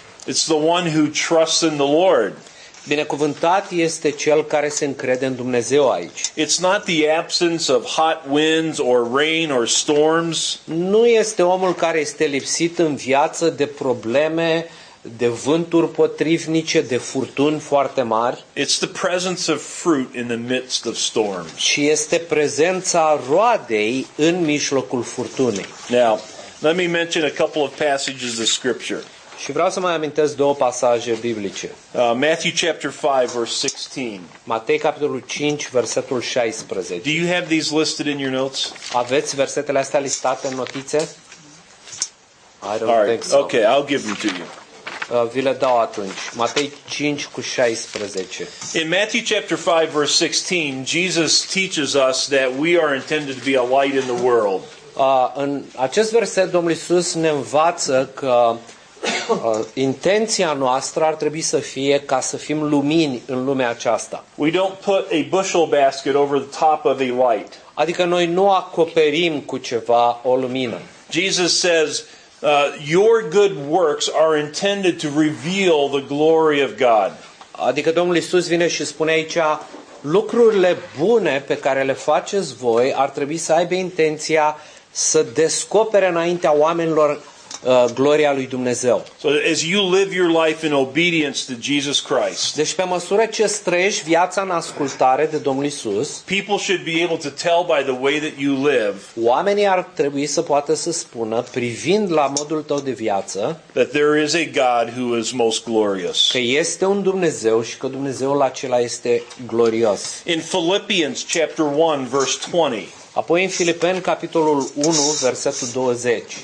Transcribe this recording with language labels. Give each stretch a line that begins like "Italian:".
English: It's the one who trusts in the Lord.
Romanian: Binecuvântat este cel care se încrede în Dumnezeu aici.
English: It's not the absence of hot winds or rain or storms.
Romanian: Nu este omul care este lipsit în viață de probleme, de vânturi potrivnice, de furtuni foarte mari.
English: It's the presence of fruit in the midst of storms.
Romanian: Și este prezența roadei în mijlocul furtunii.
English: Now, let me mention a couple of passages of scripture.
Romanian: Și vreau să mai amintesc două pasaje biblice.
English: Matthew chapter 5 verse 16.
Romanian: Matei capitolul 5 versetul 16.
English: Do you have these listed in your notes?
Romanian: Aveți versetele astea listate în notițe?
English: I don't think so. Okay, I'll give them to you.
Romanian: Vi le dau atunci. Matei 5 cu 16.
English: In Matthew chapter 5 verse 16, Jesus teaches us that we are intended to be a light in the world.
Romanian: În acest verset Domnul Iisus ne învață că intenția noastră ar trebui să fie ca să fim lumini în lumea aceasta.
English: We don't put a bushel basket over the top of a light.
Romanian: Adică noi nu acoperim cu ceva o lumină.
English: Jesus says, your good works are intended to reveal the glory of God.
Romanian: Adică Domnul Iisus vine și spune aici, lucrurile bune pe care le faceți voi ar trebui să aibă intenția să descopere înaintea oamenilor gloria lui Dumnezeu.
English: So as you live your life in obedience to Jesus Christ.
Romanian: Deci pe măsură ce trăiești viața în ascultare de Domnul Iisus,
English: people should be able to tell by the way that you live.
Romanian: Oamenii ar trebui să poată să spună privind la modul tău de viață,
English: that there is a God who is most glorious.
Romanian: Că este un Dumnezeu și că Dumnezeul acela este glorios.
English: In Philippians chapter 1 verse 20.
Romanian: Apoi în Filipeni capitolul 1 versetul 20.